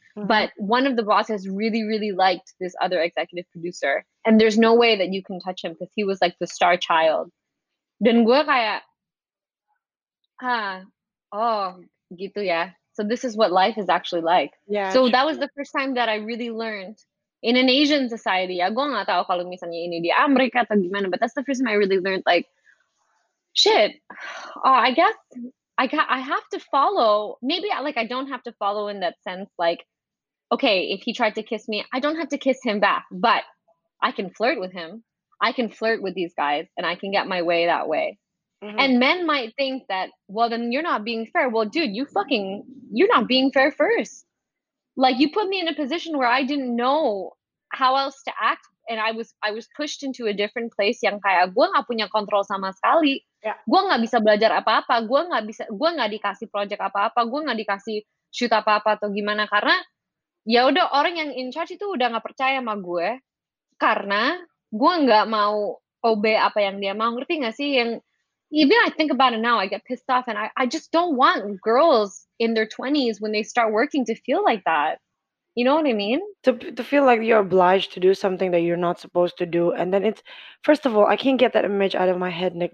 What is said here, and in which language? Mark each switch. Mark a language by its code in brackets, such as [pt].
[en] But one of the bosses really, really liked this other executive producer. And there's no way that you can touch him because he was like the star child. [id] Dan gue kayak, oh, gitu ya. [en] So this is what life is actually like. Yeah, so true. That was the first time that I really learned in an Asian society. [id] Ya, gue gak tahu kalau misalnya ini di Amerika atau gimana. [en] But that's the first time I really learned, like, shit. Oh, I guess I have to follow. Maybe like I don't have to follow in that sense, like, okay, if he tried to kiss me, I don't have to kiss him back, but I can flirt with him. I can flirt with these guys, and I can get my way that way. And men might think that, well, then you're not being fair. Well, dude, you're not being fair first. Like, you put me in a position where I didn't know how else to act. And I was pushed into a different place [id] yang kayak gue gak punya kontrol sama sekali. [en] Yeah. [id] Gue gak bisa belajar apa-apa. Gue gak dikasih project apa-apa. Gue gak dikasih shoot apa-apa atau gimana. Karena ya udah orang yang in charge itu udah gak percaya sama gue. Karena gue gak mau obey apa yang dia mau. Ngerti gak sih? [en] Yang even I think about it now, I get pissed off. And I just don't want girls in their 20s when they start working to feel like that. You know what I mean? To feel like you're obliged to do something that you're not supposed to do. And then it's, first of all, I can't get that image out of my head, Nick.